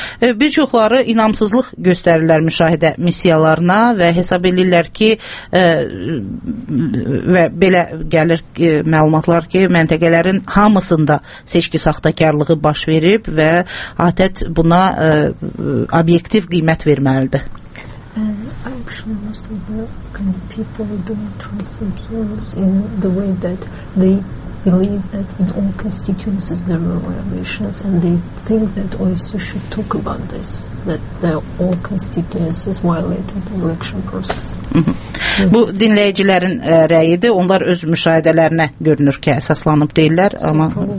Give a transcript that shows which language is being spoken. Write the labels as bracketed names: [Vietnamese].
[Azerbaijani] Bir çoxları inamsızlıq göstərirlər müşahidə missiyalarına və hesab edirlər ki, və belə gəlir məlumatlar ki, məntəqələrin hamısında seçki saxtakarlığı baş verib və ATƏT buna obyektiv qiymət verməlidir. [English] Actually, most of the kind of people don't trust themselves in the way that they believe that in all constituencies there are violations, and they think that OSCE should talk about this, that there all constituencies violated the election process. [Azerbaijani] Bu dinləyicilərin rəyidir. Onlar öz müşahidələrinə görünür ki, əsaslanıb deyirlər, amma